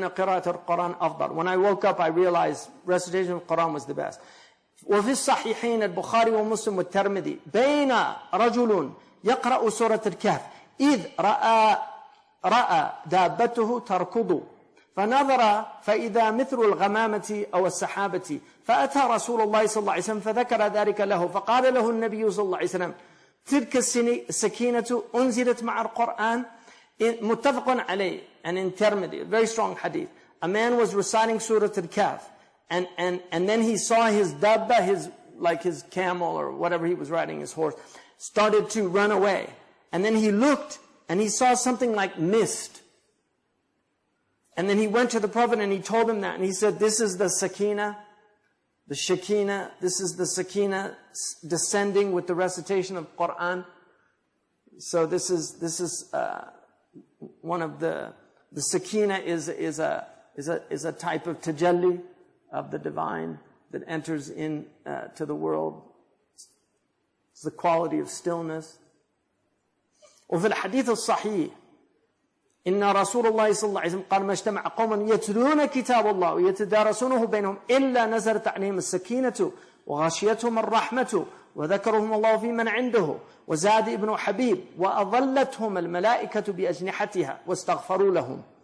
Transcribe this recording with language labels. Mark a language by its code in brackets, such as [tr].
[en] Right? When I woke up, I realized recitation of Quran was the best. [ar] وفي الصحيحين البخاري ومسلم والترمذي بين رجل يقرأ سورة الكهف إذ رأى دابته تركض فنظر فإذا مثل الغمامة أو السحابة فأتى رسول الله صلى الله عليه وسلم فذكر ذلك له فقال له النبي صلى الله عليه وسلم تلك السكينة أنزلت مع القرآن متفق عليه [en] and in Tirmidhi, a very strong hadith. A man was reciting Surah Al-Kahf. And then he saw his dabba, his camel or whatever he was riding, his horse, started to run away. And then he looked and he saw something like mist. And then he went to the Prophet and he told him that. And he said, this is the Shekinah descending with the recitation of Quran. So this is one of the Shekinah is a type of tajalli of the divine that enters in to the world. It's the quality of stillness. [ar] وفي الحديث الصحيح إن رسول الله صلى الله عليه وسلم قال ما اجتمع قوما يتلون كتاب الله ويتدارسونه بينهم إلا نزلت عليهم السكينة وغشيتهم الرحمة وذكرهم الله في من عنده وزاد ابن حبيب وأظلتهم الملائكة بأجنحتها واستغفروا لهم.